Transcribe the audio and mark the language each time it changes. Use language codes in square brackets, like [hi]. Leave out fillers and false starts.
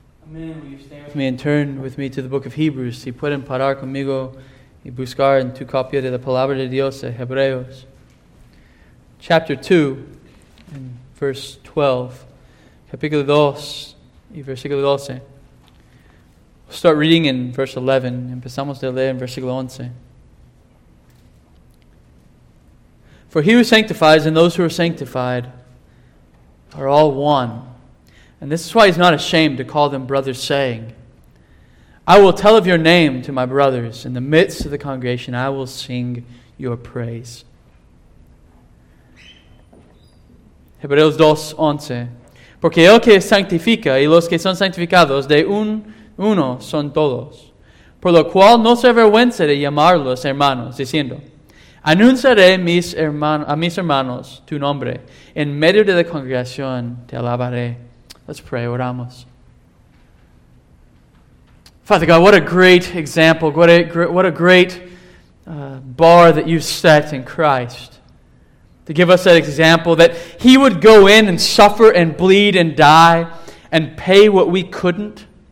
[en] Me and turn with me to the book of Hebrews. [es] Si pueden parar conmigo y buscar en tu copia de la palabra de Dios, Hebreos. [en] Chapter 2, and verse 12. [es] Capítulo 2 y versículo 12. [en] We'll start reading in verse 11. [es] Empezamos de leer en versículo 11. [en] For he who sanctifies and those who are sanctified are all one. And this is why he's not ashamed to call them brothers, saying, I will tell of your name to my brothers. In the midst of the congregation, I will sing your praise. [es] Hebreos 2:11. Porque el que sanctifica y los que son sanctificados de uno son todos. Por lo cual no se avergüenza de llamarlos hermanos, diciendo, anunciaré a mis hermanos tu nombre. En medio de la congregación te alabaré. [en] Let's pray, oramos. Father God, what a great example, what a great bar that you set in Christ to give us that example that he would go in and suffer and bleed and die and pay what we couldn't.